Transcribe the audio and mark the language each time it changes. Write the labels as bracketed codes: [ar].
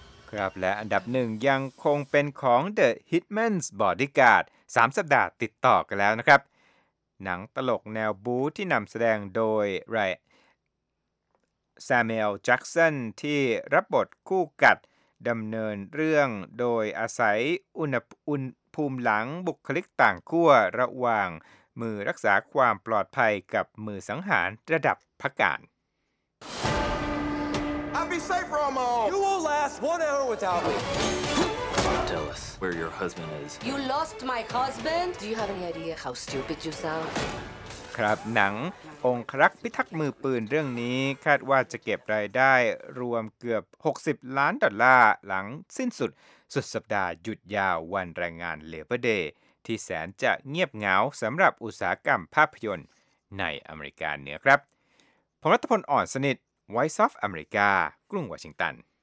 [th] ครับและอันดับหนึ่งยังคงเป็นของ The Hitman's Bodyguard 3สัปดาห์ติดต่อกันแล้วนะครับหนังตลกแนวบู๊ที่นำแสดงโดยไรซามิเอลแจ็กสันที่รับบทคู่กัดดำเนินเรื่องโดยอาศัยอุณหภูมิหลังบุคลิกต่างขั้วระหว่างมือรักษาความปลอดภัยกับมือสังหารระดับพระการ [en] I'll be safe from all. You will last 1 hour without me. Tell us where your husband is. You lost my husband. Do you have any idea how stupid you sound? [th] ครับหนังองครักษ์พิทักษ์มือปืนเรื่องนี้คาดว่าจะเก็บรายได้รวมเกือบ60ล้านดอลลาร์หลังสิ้นสุดสุดสัปดาห์หยุดยาววันแรงงาน Labor Day ที่แสนจะเงียบเหงาสำหรับอุตสาหกรรมภาพยนตร์ในอเมริกาเหนือครับผมรัฐพลอ่อนสนิท Voice of America กรุงวอชิงตัน